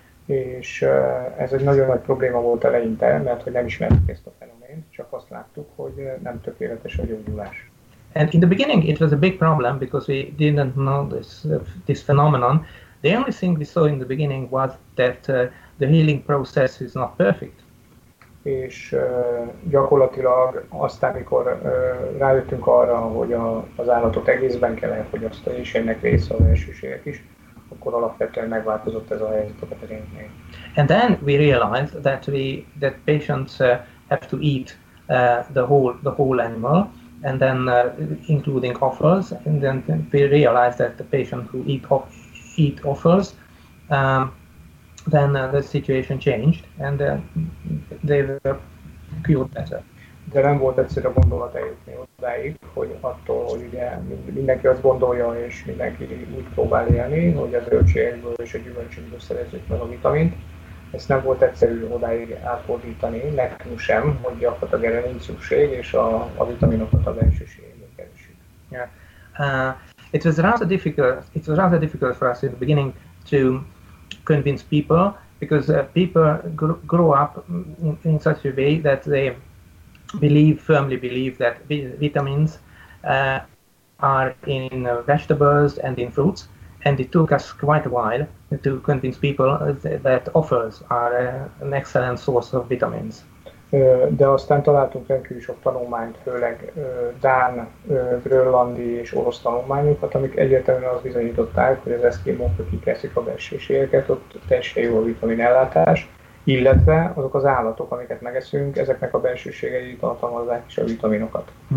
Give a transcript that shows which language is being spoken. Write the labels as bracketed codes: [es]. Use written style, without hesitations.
[hu] És ez egy nagyon nagy probléma volt eleinte, mert hogy nem ismertük ezt a fenomént, csak azt láttuk, hogy nem tökéletes a gyógyulás. [en] And in the beginning, it was a big problem because we didn't know this phenomenon. The only thing we saw in the beginning was that the healing process is not perfect. [hu] És gyakorlatilag aztán, amikor rájöttünk arra, hogy az állatot egészben kell elfogyasztani, és ennek része az elsőségek is, akkor alapvetően megváltozott ez a helyzet a betegeknél. [en] And then we realized that that patients have to eat the whole animal, and then including offals, and then we realized that the patient who eat offals, then the situation changed, and they were cured better. [hu] De nem volt egyszerű gondolat eljutni odáig, hogy attól, hogy ugye mindenki azt gondolja, és mindenki úgy próbál élni, hogy a zöldségből és a gyümölcsökből szerezzük meg a vitamint. Ezt nem volt egyszerű odáig átfordítani, nekünk sem, hogy gyakorlatilag erre nincs szükség, és a vitaminokat a belsőségből keresünk. [en] It was rather difficult for us in the beginning to convince people, because people grow up in such a way that they firmly believe that vitamins are in vegetables and in fruits, and it took us quite a while to convince people that offals are an excellent source of vitamins. [hu] De aztán találtunk rendkívül sok tanulmányt, főleg dán, grönlandi és orosz tanulmányokat, amik egyértelműen azt bizonyították, hogy az eszkimók, akik eszik a belsőségeket, ott teljesen jó a vitaminellátás, illetve azok az állatok, amiket megeszünk, ezeknek a belsőségei tartalmazzák is a vitaminokat.